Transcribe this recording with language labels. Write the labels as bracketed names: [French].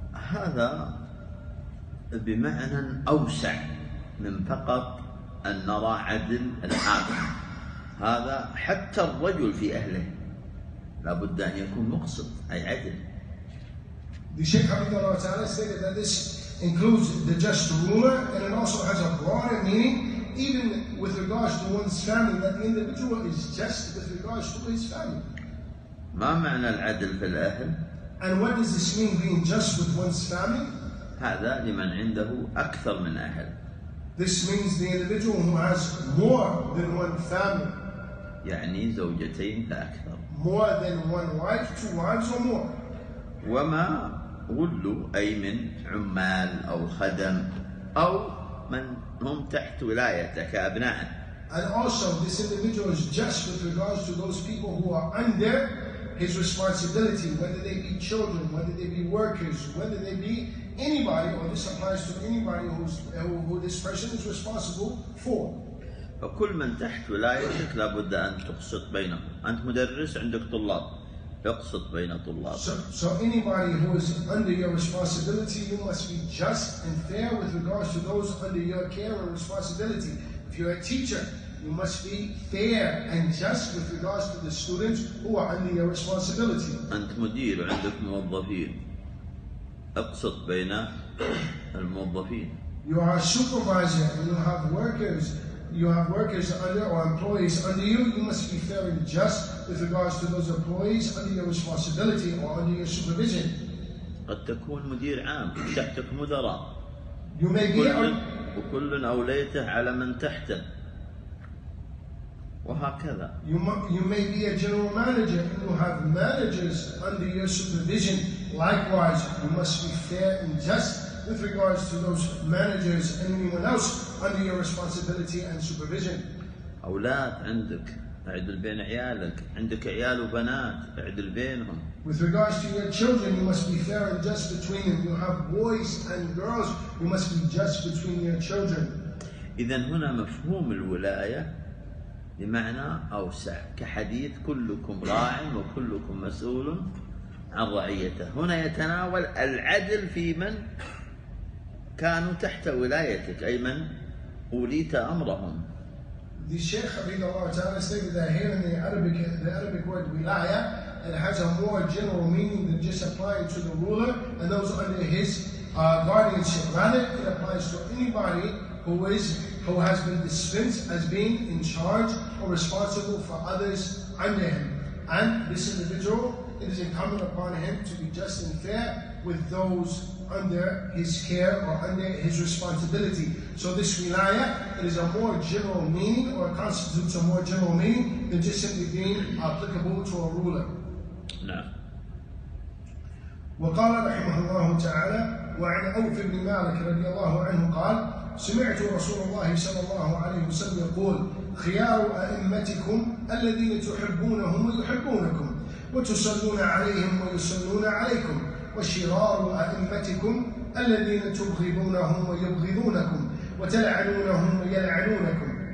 [Arabic] هذا بمعنى أوسع من فقط أن نرى عدل العادل هذا حتى الرجل في أهله لابد أن يكون مقصد أي عدل. [English] The Shaykh Habib Allah Ta'ala stated that this includes the just ruler and it also has a broader meaning even with regards to one's family that the individual is just with regards to his family. [Arabic] ما معنى العدل في الأهل؟ [English] And what does this mean being just with one's family? [Arabic] هذا لمن عنده أكثر من أهل. [English] This means the individual who has more than one family. [Arabic] يعني زوجتين لا أكثر. [English] More than one wife, two wives or more. [Arabic] لا وما غلوا أي من عمال أو خدم أو من هم تحت ولايته كأبناء. [English] And also this individual is just with regards to those people who are under his responsibility, whether they be children, whether they be workers, whether they be anybody, or this applies to anybody who this person is responsible for. [Arabic] فكل من تحت ولايتك لابد أن تقسط بينهم. أنت مدرس عندك طلاب. اقسط بين طلابك. [English] So anybody who is under your responsibility, you must be just and fair with regards to those under your care and responsibility. If you're a teacher, you must be fair and just with regards to the students who are under your responsibility. [Arabic] أنت مدير عندك موظفين. اقسط بين الموظفين. [English] You are a supervisor and you have workers. You have workers under or employees under you. You must be fair and just with regards to those employees under your responsibility or under your supervision. [Arabic] قد تكون مدير عام تحتك مدراء. [English] You may be [Arabic] وكل أوليته على من تحته. وهكذا. [English] You may be a general manager and you have managers under your supervision. Likewise, you must be fair and just with regards to those managers and anyone else under your responsibility and supervision. [Arabic] أولاد عندك اعدل بين عيالك عندك عيال وبنات اعدل بينهم. [English] With regards to your children, you must be fair and just between them. You have boys and girls, you must be just between your children. [Arabic] إذن هنا مفهوم الولاية بمعنى أوسع كحديث كلكم راع وكلكم مسؤول عن رعيته. هنا يتناول العدل في من كانوا تحت ولايتك أي من وليت أمرهم. [English] The Sheikh Hafid Allah Ta'ala stated that here in the Arabic word wilaya, it has a more general meaning than just applying to the ruler and those under his guardianship. Rather, it applies to anybody who has been dispensed as being in charge or responsible for others under him. And this individual, it is incumbent upon him to be just and fair with those under his care or under his responsibility. So this wilaya, it is a more general meaning or constitutes a more general meaning than just simply being applicable to a ruler. No. [Arabic] وقال رحمه الله تعالى وعن أوف بن مالك رضي الله عنه قال سمعت رسول الله صلى الله عليه وسلم يقول خيار أئمتكم الذين تحبونهم ويحبونكم وتصلون عليهم ويصلون عليكم وشرار أئمتكم الذين تبغضونهم ويبغضونكم وتلعنونهم ويلعنونكم.